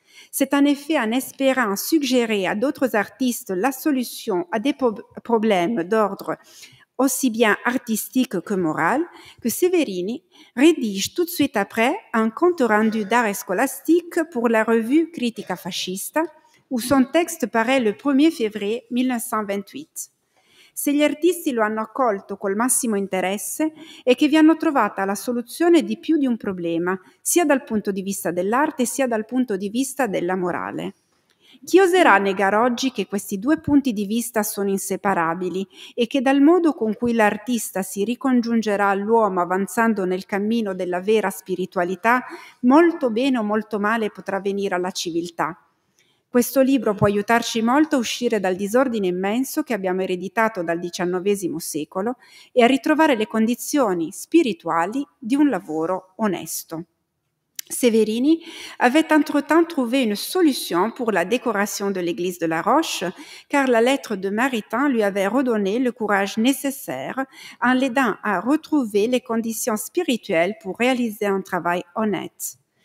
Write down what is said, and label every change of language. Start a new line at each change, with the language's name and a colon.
French: C'est en effet en espérant suggérer à d'autres artistes la solution à des problèmes d'ordre aussi bien artistique que moral, que Severini rédige tout de suite après un compte rendu d'art scolastique pour la revue Critica Fascista, où son texte paraît le 1er février 1928.
Italian: Se gli artisti lo hanno accolto col massimo interesse è che vi hanno trovata la soluzione di più di un problema, sia dal punto di vista dell'arte sia dal punto di vista della morale. Chi oserà negare oggi che questi due punti di vista sono inseparabili e che dal modo con cui l'artista si ricongiungerà all'uomo avanzando nel cammino della vera spiritualità, molto bene o molto male potrà venire alla civiltà? Questo libro può aiutarci molto a uscire dal disordine immenso che abbiamo ereditato dal XIX secolo e a ritrovare le condizioni spirituali di un lavoro onesto.
French: Severini avait entre-temps trouvé une solution pour la décoration de l'église de la Roche, car la lettre de Maritain lui avait redonné le courage nécessaire en l'aidant à retrouver les conditions spirituelles pour réaliser un travail honnête.